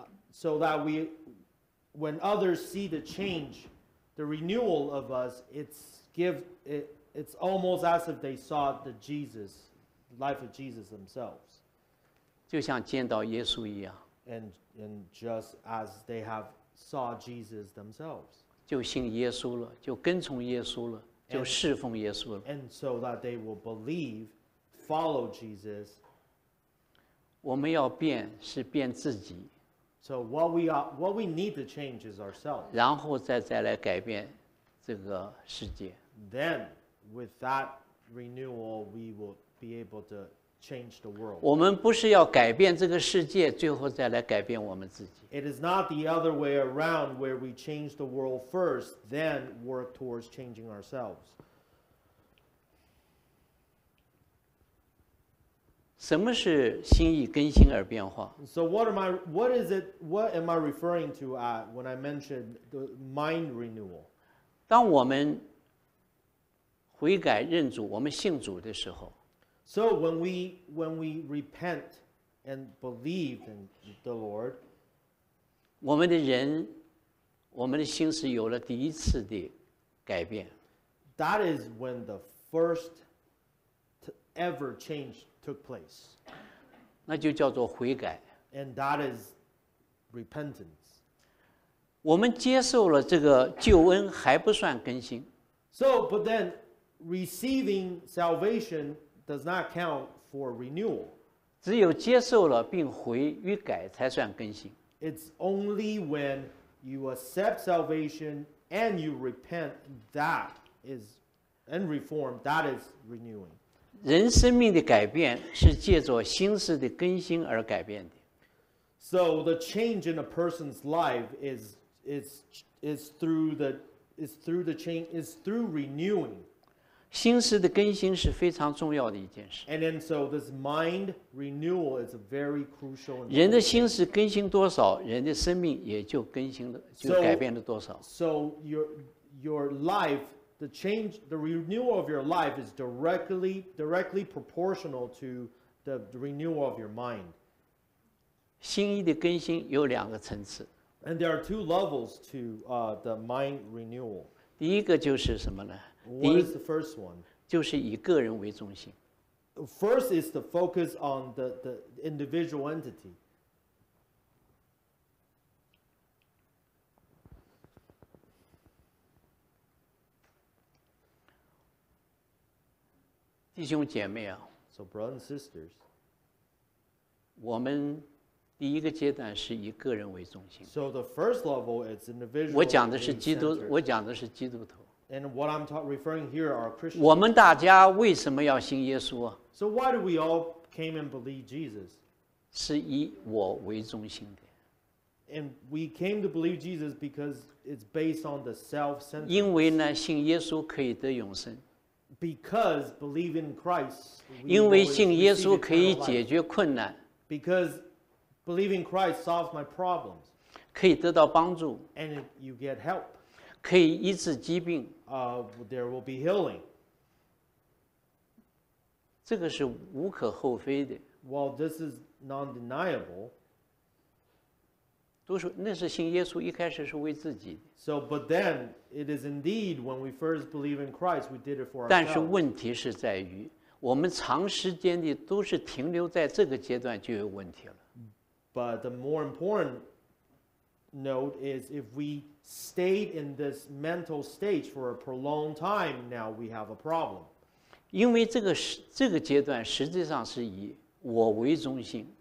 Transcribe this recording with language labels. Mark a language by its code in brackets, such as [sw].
[en] So that when others see the change, the renewal of us, it's almost as if they saw the Jesus, life of Jesus themselves. [zh] 就像见到耶稣一样。 [en] And just as they have saw Jesus themselves. [zh] 就信耶稣了，就跟从耶稣了，就侍奉耶稣了。 [en] And so that they will believe, follow Jesus. [zh] 我们要变是变自己。 [en] So what we need to change is ourselves. [zh] 然后再来改变这个世界。 [en] Then with that renewal, we will be able to change the world. [zh] 我们不是要改变这个世界，最后再来改变我们自己。 [en] It is not the other way around where we change the world first, then work towards changing ourselves. [zh] 什么是心意更新而变化？ [en] So what am I referring to at when I mentioned the mind renewal? [zh] 当我们悔改认主，我们信主的时候。 [en] So when we repent and believe in the Lord, [zh] 我们的人，我们的心是有了第一次的改变。 [en] That is when the first ever change took place. [zh] 那就叫做悔改。 [en] And that is repentance. [zh] 我们接受了这个救恩还不算更新。 [en] So, but then receiving salvation does not count for renewal. [zh] 只有接受了并悔与改才算更新。 [en] It's only when you accept salvation and you repent that is and reform that is renewing. [zh] 人生命的改变是借着心思的更新而改变的。 [en] So the change in a person's life is through renewing. [zh] 心思的更新是非常重要的一件事。 [en] And then so this mind renewal is a very crucial. [zh] 人的心思更新多少，人的生命也就更新了，就改变了多少。 [en] So your life. The change, the renewal of your life is directly proportional to the renewal of your mind. [zh] 心意的更新有两个层次。 [en] And there are two levels to the mind renewal. [zh] 第一个就是什么呢？ [en] What is the first one? [zh] 就是以个人为中心。 [en] First is the focus on the individual entity. [zh] 弟兄姐妹啊 [en] ，So brothers and sisters， [zh] 我们第一个阶段是以个人为中心。 [en] So the first level is individual. [zh] 我讲的是基督，我讲的是基督徒。 [en] And what I'm referring here are Christians. [zh] 我们大家为什么要信耶稣啊 [en] ？So why do we all came and believe Jesus？ [zh] 是以我为中心的。 [en] And we came to believe Jesus because it's based on the self-centered. [zh] 因为呢，信耶稣可以得永生。 [en] Because believing in Christ, [zh] 因为信耶稣可以解决困难。 [en] Because believing Christ solves my problems, [zh] 可以得到帮助。 [en] And you get help, [zh] 可以医治疾病。 [en] There will be healing. [zh] 这个是无可厚非的。 [en] Well, this is non-deniable. [zh] 都是那是信耶稣一开始是为自己的。 [en] So, but then it is indeed when we first believe in Christ, we did it for ourselves. [zh] 但是问题是在于，我们长时间的都是停留在这个阶段就有问题了。 [en] But the more important note is if we stayed in this mental stage for a prolonged time, now we have a problem. [zh] 因为这个阶段实际上是以我为中心。